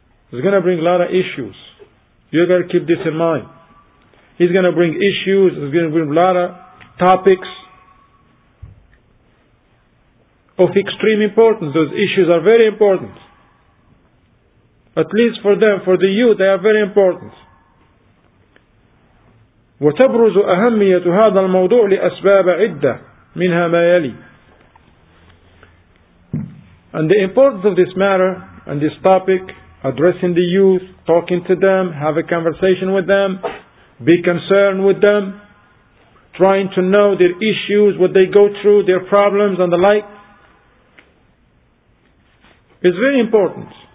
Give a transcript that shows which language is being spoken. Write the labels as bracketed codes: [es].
[en] It's going to bring a lot of issues. You got to keep this in mind. It's going to bring issues, it's going to bring a lot of topics of extreme importance. Those issues are very important. At least for them, for the youth, they are very important. [ar] وتبرز أهمية هذا الموضوع لأسباب عدة منها ما يلي. [en] And the importance of this matter and this topic, addressing the youth, talking to them, have a conversation with them, be concerned with them, trying to know their issues, what they go through, their problems and the like, is very important.